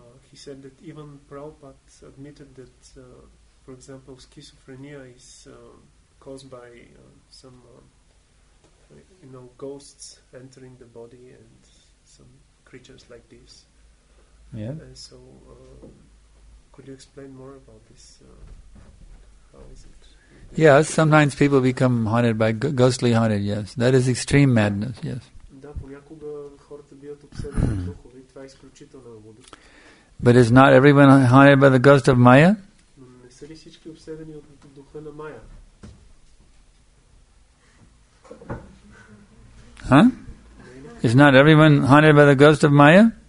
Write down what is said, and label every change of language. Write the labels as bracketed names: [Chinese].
[English] He said that even Prabhupada admitted that, for example, schizophrenia is caused by some, you know, ghosts entering the body and some creatures like this. Yeah. And so, could you explain more about this? How is it? Yeah, sometimes people become haunted by ghostly haunted, yes. That is extreme madness, yes. [Bulgarian] Да, понякога хората биват обсебени от духове, това е изключителна лудост. [English] But is not everyone haunted by the ghost of Maya? Huh? Is not everyone haunted by the ghost of Maya?